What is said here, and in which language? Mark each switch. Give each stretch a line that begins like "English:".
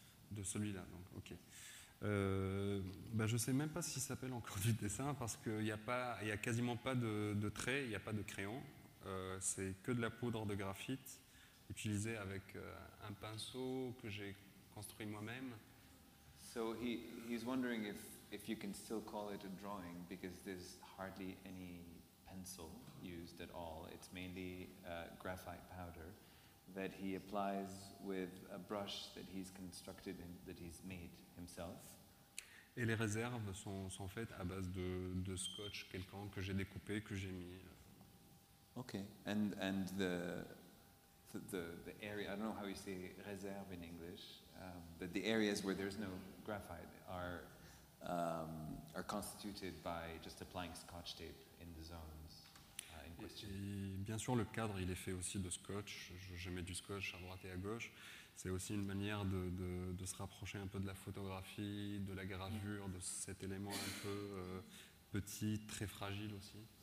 French: De celui-là, donc, ok. Je ne sais même pas s'il s'appelle encore du dessin, parce qu'il n'y a quasiment pas de traits, il n'y a pas de crayon. C'est que de la poudre de graphite, utilisée avec un pinceau que j'ai construit moi-même.
English: So he's wondering if you can still call it a drawing, because there's hardly any pencil used at all. It's mainly graphite powder that he applies with a brush that he's constructed and that he's made himself.
French: Et les réserves sont faites à base de scotch quelconque que j'ai découpé, que j'ai mis.
English: Okay, and the area, I don't know how you say réserve in English, but the areas where there's no graphite are constituted by just applying scotch tape in the zones in question.
French: Et bien sûr, le cadre, il est fait aussi de scotch. Je mets du scotch à droite et à gauche. C'est aussi une manière de se rapprocher un peu de la photographie, de la gravure, de cet élément un peu petit, très fragile aussi.